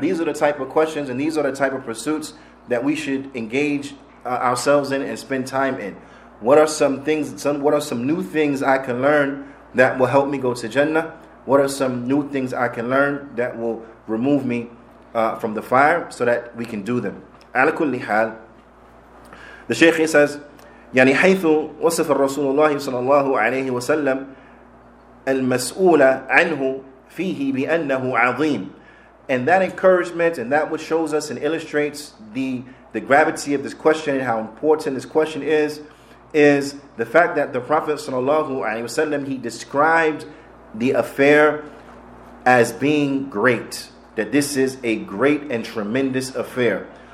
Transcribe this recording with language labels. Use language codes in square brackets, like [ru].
[en] These are the type of questions and these are the type of pursuits that we should engage ourselves in and spend time in. What are some things, what are some new things I can learn that will help me go to Jannah? What are some new things I can learn that will remove me from the fire so that we can do them? [ar] Ala kulli hal, [en] the Shaykh says, [ar] يعني حيث وصف الرسول الله صلى الله عليه وسلم المسؤول عنه فيه بأنه عظيم. [en] And that encouragement and that which shows us and illustrates the gravity of this question and how important this question is the fact that the Prophet [ar] صلى الله عليه وسلم, [en] he described the affair as being great, that this is a great and tremendous affair.